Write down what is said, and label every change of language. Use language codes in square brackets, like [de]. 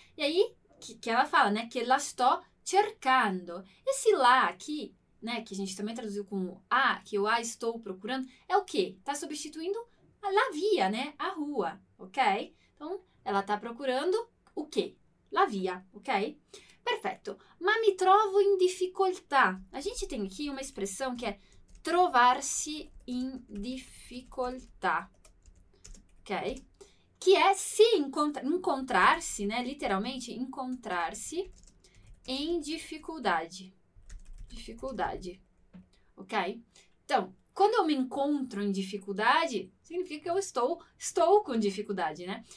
[pt] E aí, que ela fala, né? Que [it] la sto cercando. [pt] Esse lá aqui né, que a gente também traduziu como a, que o a estou procurando, é o quê? Está substituindo a la via, né? A rua, ok? Então, ela está procurando o quê? La via, ok? Perfeito. [it] Ma mi trovo in difficoltà. [pt] A gente tem aqui uma expressão que é [it] trovarsi in difficoltà, [pt] ok? Que é se encontrar-se, né? Literalmente, encontrar-se em dificuldade. Dificuldade, ok? Então, quando eu me encontro em dificuldade, significa que eu estou com dificuldade, né?